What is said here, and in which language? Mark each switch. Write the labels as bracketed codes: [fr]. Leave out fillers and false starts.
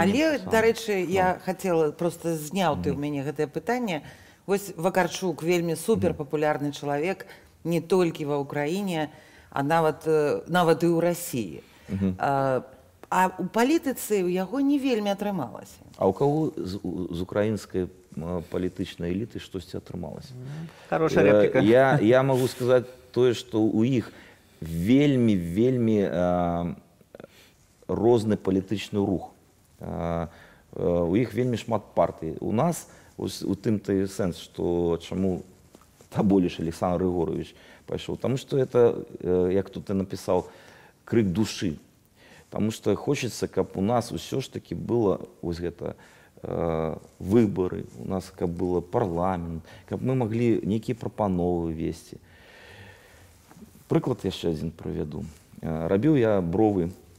[be] Але, дарэчы, я хацела просто зняў ты ў мяне гэтае пытанне. Вось Вакарчук вельмі супер папулярны чалавек не толькі ва Украіне, а нават і ў Расіі. А у палітыцы ў яго не вельмі атрымалася. [ru] А у кого з украинской политической элиты что-то отрывалось? Хорошая реплика. Я могу сказать то, что у них вельми, вельми разный политический рух. У них вельми шмат партий. У нас, у тым-то и сенс, что чому таболіш Александр Егорович пошел. Потому что это, как тут и написал, крик души. [be] Таму што хочацца, каб у нас ўсё ж такі было вось гэта выбары, у нас каб было парламент, каб мы маглі некія прапановы весці. Прыклад яшчэ адзін прыведу. Рабіў я бровы,